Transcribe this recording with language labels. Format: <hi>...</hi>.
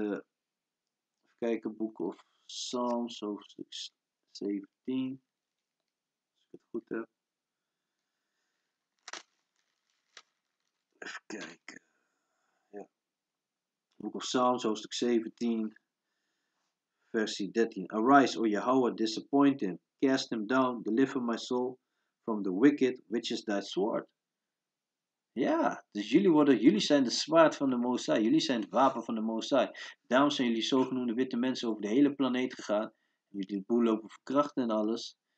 <nl>Even kijken, boek of Psalms, hoofdstuk 17. Als ik het goed heb. Even kijken. Boek of Psalms, hoofdstuk 17, versie 13.</nl> <en>Arise, O Yahweh, disappoint him. Cast him down, deliver my soul from the wicked, which is thy sword.</en> <nl>Ja, dus jullie zijn de zwaard van de Mosai. Jullie zijn het wapen van de Mosai. Daarom zijn jullie zogenoemde witte mensen over de hele planeet gegaan. Jullie boel lopen verkrachten en alles.</nl>